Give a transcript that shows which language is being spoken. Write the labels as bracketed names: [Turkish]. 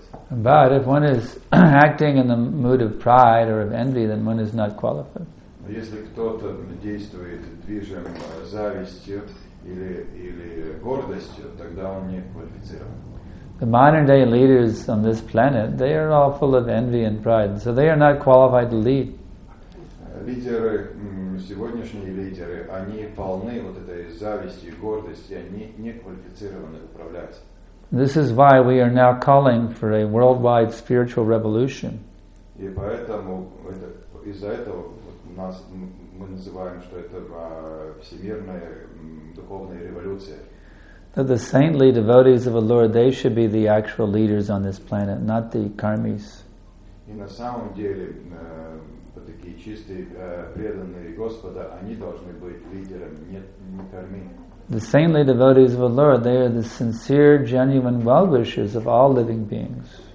[English] But if one is acting in the mood of pride or of envy, then one is not qualified. [Russian] Если кто-то действует движим завистью или гордостью, тогда он не квалифицирован. [English] The modern day leaders on this planet, they are all full of envy and pride, so they are not qualified to lead. [Russian] Лидеры, сегодняшние лидеры, они полны вот этой зависти и гордости, они не квалифицированы управлять. [English] This is why we are now calling for a worldwide spiritual revolution. [Russian] И поэтому из-за этого нас мы называем, что это всемирная духовная революция. [English] That the saintly devotees of the Lord, they should be the actual leaders on this planet, not the karmis. [Russian] И на самом деле такие чистые преданные Господа, они должны быть лидерами, не карми. [English] The saintly devotees of the Lord, they are the sincere, genuine well-wishers of all living beings.